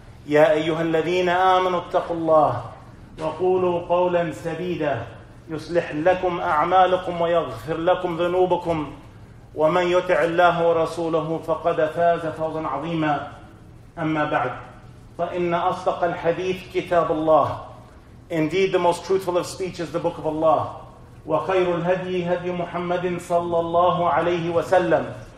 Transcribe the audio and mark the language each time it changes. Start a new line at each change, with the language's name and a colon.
Arabic: يا أيها الذين آمنوا اتقوا الله وقولوا قولا سديدا يصلح لكم أعمالكم ويغفر لكم ذنوبكم، ومن يطع الله ورسوله فقد فاز فوزا عظيما. أما بعد، فإن أصدق الحديث كتاب الله.
English: Indeed, the most truthful of speech is the book of Allah.
Arabic: وخير الهدي هدي محمد صلى الله عليه وسلم.